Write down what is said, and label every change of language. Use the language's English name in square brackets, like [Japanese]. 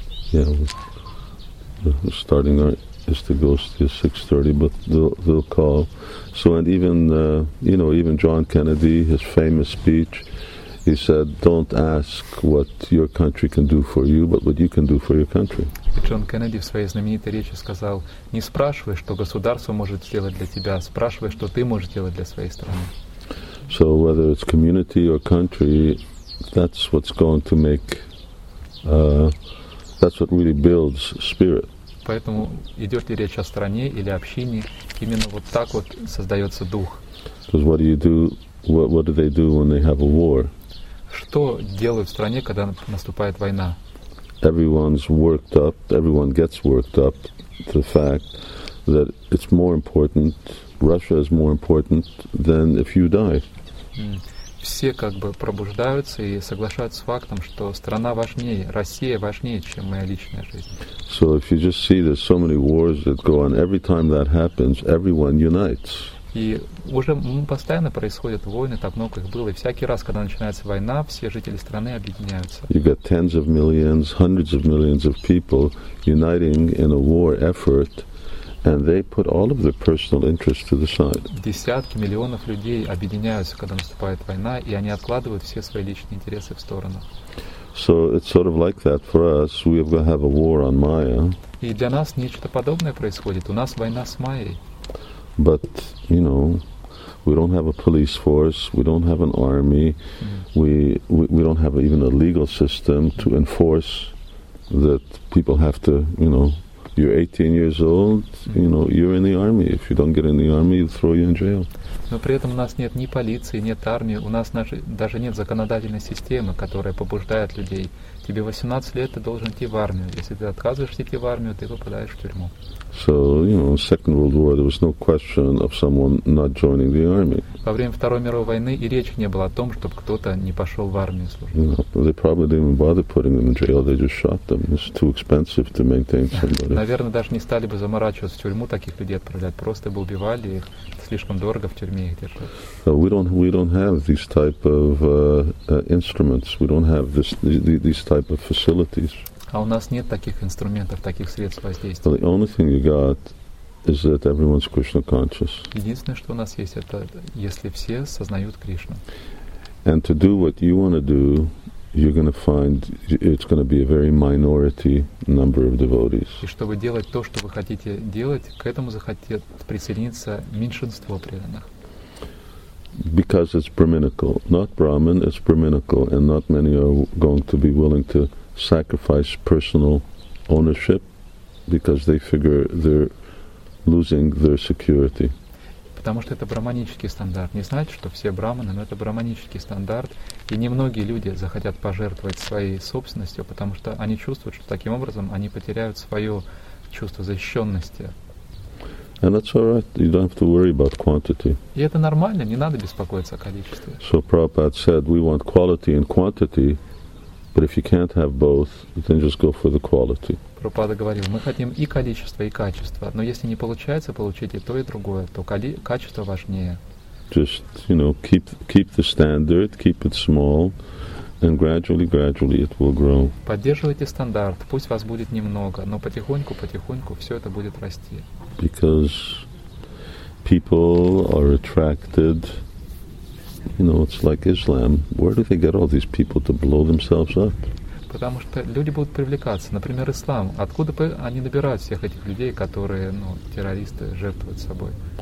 [English] Yeah, starting is the ghost is 6:30, but they'll call. So, and even you know, even John Kennedy, his famous speech, he said, "Don't ask what your country can do for you, but what you can do for your country." [Russian] John Kennedy в своей знаменитой речи сказал: "Не спрашивай, что государство может сделать для тебя, спрашивай, что ты можешь сделать для своей страны." [English] So, whether it's community or country, that's what's going to make. That's what really builds spirit. [Russian] Поэтому идет ли речь о стране или общине, именно вот так вот создается дух. [English] Because what do you do? What do they do when they have a war? [Russian] Что делают в стране, когда наступает война? [English] Everyone's worked up. Everyone gets worked up. The fact that it's more important. Russia is more important than if you die. [Russian] Все как бы пробуждаются и соглашаются с фактом, что страна важнее, Россия важнее, чем моя личная жизнь. [English] So if you just see there's so many wars that go on, every time that happens, everyone unites. [Russian] И уже постоянно происходят войны, так много их было, и всякий раз, когда начинается война, все жители страны объединяются. [English] You got tens of millions, hundreds of millions of people uniting in a war effort. And they put all of their personal interests to the side. [Russian] Десятки миллионов людей объединяются, когда наступает война, и они откладывают все свои личные интересы в сторону. [English] So it's sort of like that for us. We have a war on Maya. [Russian] И для нас нечто подобное происходит. У нас война с Майей. [English] But, you know, we don't have a police force, we don't have an army, we don't have even a legal system to enforce that people have to, you know, you're 18 years old, you know, you're in the army. If you don't get in the army, they'll throw you in jail. [Russian] Но при этом у нас нет ни полиции, нет армии, у нас даже нет законодательной системы, которая побуждает людей. Тебе 18 лет, ты должен идти в армию. Если ты отказываешься идти в армию, ты попадаешь в тюрьму. [English] So, you know, in the Second World War, there was no question of someone not joining the army. [Russian] Во время Второй мировой войны и речи не было о том, чтобы кто-то не пошел в армию служить. [English] You know, they probably didn't even bother putting them in jail, they just shot them. It's too expensive to maintain somebody. [Russian] Наверное, даже не стали бы заморачиваться в тюрьму таких людей отправлять, просто бы убивали их, слишком дорого в тюрьме их держать. [English] So we don't have these type of instruments, we don't have these type of facilities. [Russian] А у нас нет таких инструментов, таких средств воздействия. [English] Well, the only thing you got is that everyone's Krishna conscious. [Russian] Единственное, что у нас есть, это если все сознают Кришну. [English] And to do what you want to do, you're going to find it's going to be a very minority number of devotees. [Russian] И чтобы делать то, что вы хотите делать, к этому захотят присоединиться меньшинство преданных. [English] Because it's brahminical, not Brahmin, it's brahminical, and not many are going to be willing to sacrifice personal ownership because they figure they're losing their security. [Russian] Потому что это брахманический стандарт. Не значит, что все брахманы, но это брахманический стандарт, и немногие люди захотят пожертвовать своей собственностью, потому что они чувствуют, что таким образом они потеряют свое чувство защищенности. [English] And that's all right. You don't have to worry about quantity. [Russian] И это нормально, не надо беспокоиться о количестве. [English] So Prabhupada said, we want quality and quantity. But if you can't have both, then just go for the quality. [Russian] Прабхупада говорил, мы хотим и количество, и качество. Но если не получается получить и то, и другое, то качество важнее. [English] Just, you know, keep the standard, keep it small, and gradually it will grow. [Russian] Поддерживайте стандарт, пусть вас будет немного, но потихоньку все это будет расти. [English] Because people are attracted. You know, it's like Islam. Where do they get all these people to blow themselves up? [Russian] Потому что люди будут привлекаться. Например, ислам. Откуда они набирают всех этих людей, которые, ну, террористы, жертвуют собой?